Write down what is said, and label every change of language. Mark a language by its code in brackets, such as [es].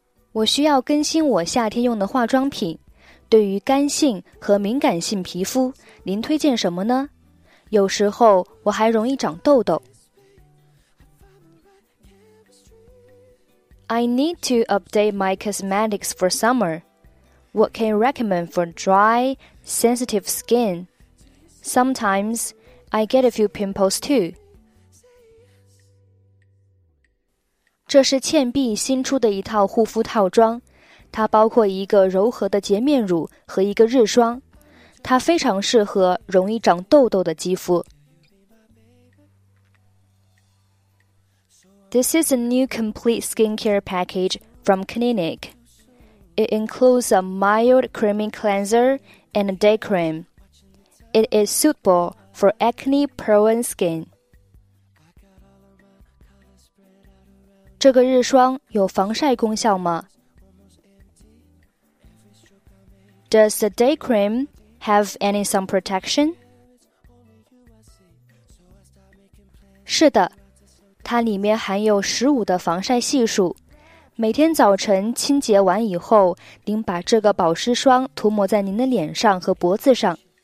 [zh] 我需要更新我夏天用的化妆品。对于干性和敏感性皮肤，您推荐什么呢？有时候我还容易长痘痘。 [en] I need to update my cosmetics for summer. What can you recommend for dry, sensitive skin? Sometimes I get a few pimples too. [zh] 这是倩碧新出的一套护肤套装，它包括一个柔和的洁面乳和一个日霜，它非常适合容易长痘痘的肌肤。 [en] This is a new complete skincare package from Clinique. It includes a mild creamy cleanser and a day cream. It is suitable for acne-prone skin. [zh] 这个日霜有防晒功效吗？ [en] Does the day cream have any sun protection? [zh] 是的，它里面含有15的防晒系数，每天早晨清洁完以后，您把这个保湿霜涂抹在您的脸上和脖子上。